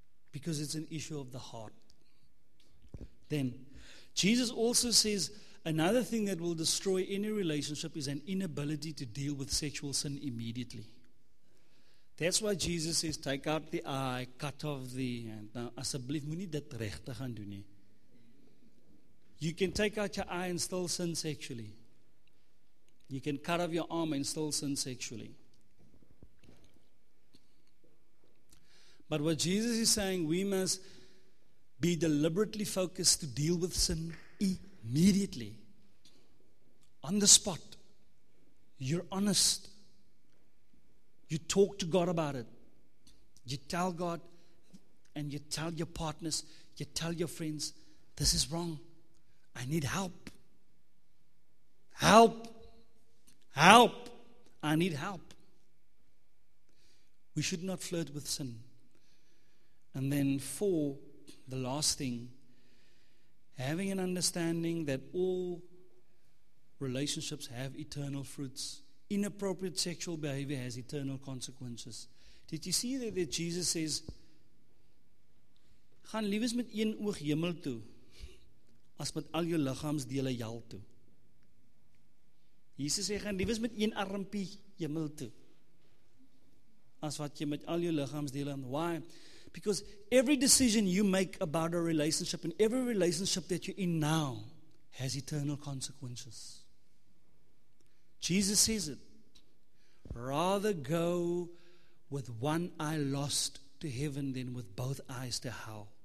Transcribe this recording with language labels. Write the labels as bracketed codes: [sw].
[en] Because it's an issue of the heart. Then Jesus also says another thing that will destroy any relationship is an inability to deal with sexual sin immediately. That's why Jesus says, take out the eye, cut off the hand. [af] Now, asseblief, moet nie dit regte gaan doen nie. [en] You can take out your eye and still sin sexually. You can cut off your arm and still sin sexually. But what Jesus is saying, we must be deliberately focused to deal with sin immediately. On the spot. You're honest. You talk to God about it. You tell God and you tell your partners, you tell your friends, this is wrong. I need help. Help. Help. I need help. We should not flirt with sin. And then four, the last thing, having an understanding that all relationships have eternal fruits. Inappropriate sexual behavior has eternal consequences. Did you see that, that Jesus says, [af] gaan liefies met een oog hemel toe, as met al jou liggaamsdele jal toe. Jesus sê, gaan liefies met een armpie hemel toe, as wat jy met al jou liggaamsdele. [en] Why? Because every decision you make about a relationship and every relationship that you're in now has eternal consequences. Jesus says it. Rather go with one eye lost to heaven than with both eyes to hell.